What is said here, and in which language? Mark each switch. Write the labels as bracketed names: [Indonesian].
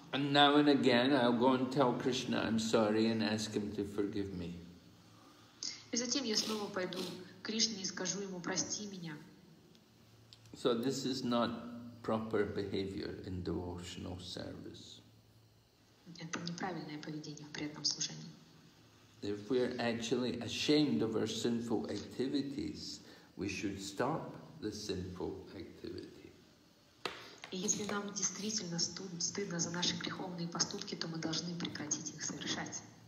[English] And now and again I'll go and tell Krishna I'm sorry and ask him to forgive me. [Russian] И затем я снова пойду к Кришне и скажу ему, прости меня. [English] So this is not proper behavior in devotional service. [Russian] Это неправильное поведение в преданном служении. [English] If we are actually ashamed of our sinful activities, we should stop the sinful activity. [Russian] И если нам действительно стыдно за наши греховные поступки, то мы должны прекратить их совершать.